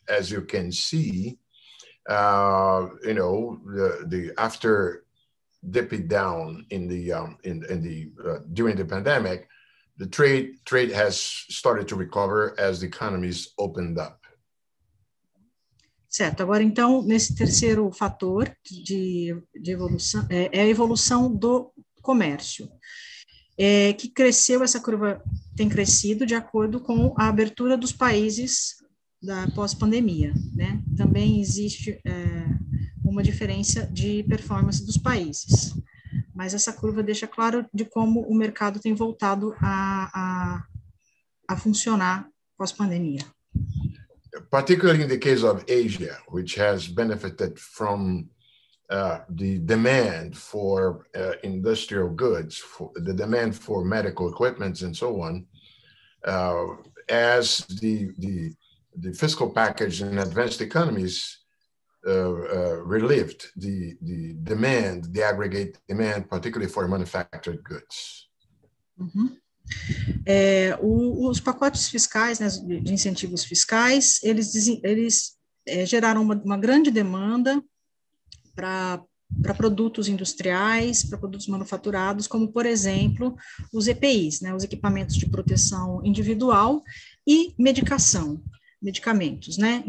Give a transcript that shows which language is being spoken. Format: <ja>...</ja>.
<en>As you can see, the after dipping down during the pandemic, the trade has started to recover as the economies opened up.</en> <pt>Certo, agora então, nesse terceiro fator de evolução, é a evolução do comércio, que cresceu, essa curva tem crescido de acordo com a abertura dos países da pós-pandemia, né? Também existe uma diferença de performance dos países, mas essa curva deixa claro de como o mercado tem voltado a funcionar pós-pandemia.</pt> <en>Particularly in the case of Asia, which has benefited from the demand for industrial goods, for the demand for medical equipment and so on, as the fiscal package in advanced economies relieved the demand, the aggregate demand, particularly for manufactured goods. Uhum.</en> <pt>Os pacotes fiscais, né, de incentivos fiscais, eles geraram uma grande demanda para produtos industriais, para produtos manufaturados, como, por exemplo, os EPIs, né, os equipamentos de proteção individual e medicação, medicamentos, né?</pt>